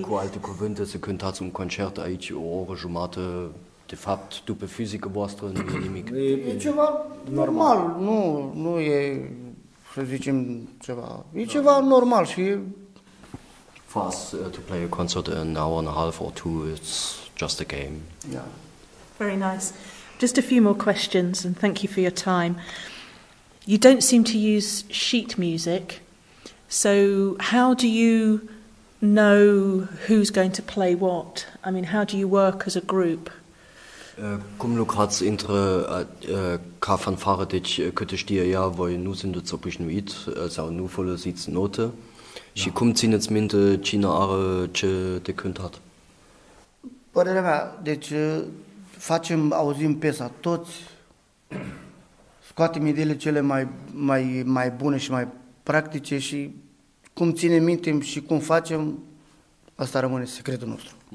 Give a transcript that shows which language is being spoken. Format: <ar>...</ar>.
<ro>Cu alte cuvinte, se cântați un concert aici o oră jumate, de fapt, după fizică voastră, nu e nimic. E ceva normal, nu e, să zicem, ceva. E ceva normal și...</ro> <en>For us to play a concert an hour and a half or two, it's just a game. Yeah. Very nice. Just a few more questions, and thank you for your time. You don't seem to use sheet music, so how do you know who's going to play what? I mean, how do you work as a group?</en> <ro>Cum lucrați între ca fanfară, deci câte știe ea, voi nu sunteți obișnuit sau nu folosiți note? Și cum țineți minte cine are ce de cântat? Părerea mea, deci facem, auzim piesa toți, scoatem ideile cele mai bune și mai practice și cum ținem minte și cum facem, asta rămâne secretul nostru.</ro>